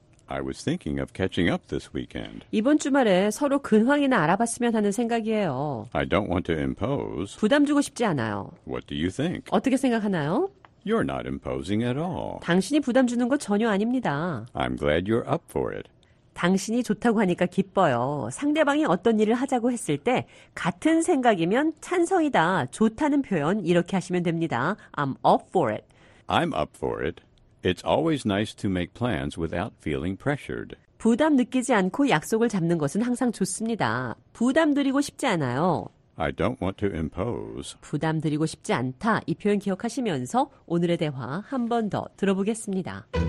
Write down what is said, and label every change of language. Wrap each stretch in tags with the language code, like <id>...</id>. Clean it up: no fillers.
<en>I was thinking of catching up this weekend.</en> <ko>이번 주말에 서로 근황이나 알아봤으면 하는 생각이에요.</ko> <en>I don't want to impose.</en> <ko>부담 주고 싶지 않아요.</ko> <en>What do you think?</en> <ko>어떻게 생각하나요?</ko> <en>You're not imposing at all.</en> <ko>당신이 부담 주는 거 전혀 아닙니다.</ko> <en>I'm glad you're up for it.</en> <ko>당신이 좋다고 하니까 기뻐요. 상대방이 어떤 일을 하자고 했을 때 같은 생각이면 찬성이다, 좋다는 표현 이렇게 하시면 됩니다.</ko> <en>I'm up for it. I'm up for it. It's always nice to make plans without feeling pressured.</en> <ko>부담 느끼지 않고 약속을 잡는 것은 항상 좋습니다. 부담 드리고 싶지 않아요.</ko> <en>I don't want to impose.</en> <ko>부담 드리고 싶지 않다. 이 표현 기억하시면서 오늘의 대화 한 번 더 들어보겠습니다.</ko>